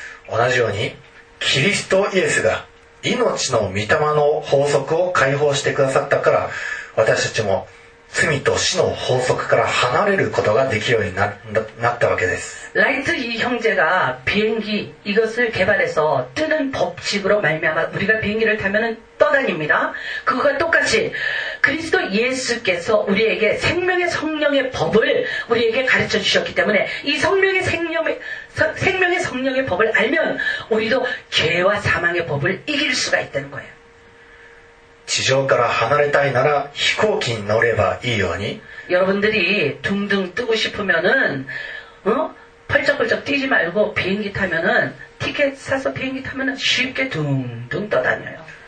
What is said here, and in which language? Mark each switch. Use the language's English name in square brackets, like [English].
[Japanese] 同じように 그리스도 예수가 命の御霊の法則を解放してくださったから私たちも罪と死の法則から離れることができるようになったわけです. [Korean] ライト 이 형제가 비행기 이것을 개발해서 뜨는 법칙으로 말미암아 우리가 비행기를 타면 떠다닙니다. 그것과 똑같이 그리스도 예수께서 우리에게 생명의 성령의 법을 우리에게 가르쳐 주셨기 때문에 이 생명의 성령의 법을 알면 우리도 죄와 사망의 법을 이길 수가 있다는 거예요. [Japanese] 地上から離れたいなら飛行機に乗ればいいように. [Korean] 여러분들이 둥둥 뜨고 싶으면은 펄쩍펄쩍 뛰지 말고 비행기 타면은 티켓 사서 비행기 타면은 쉽게 둥둥 떠다녀요.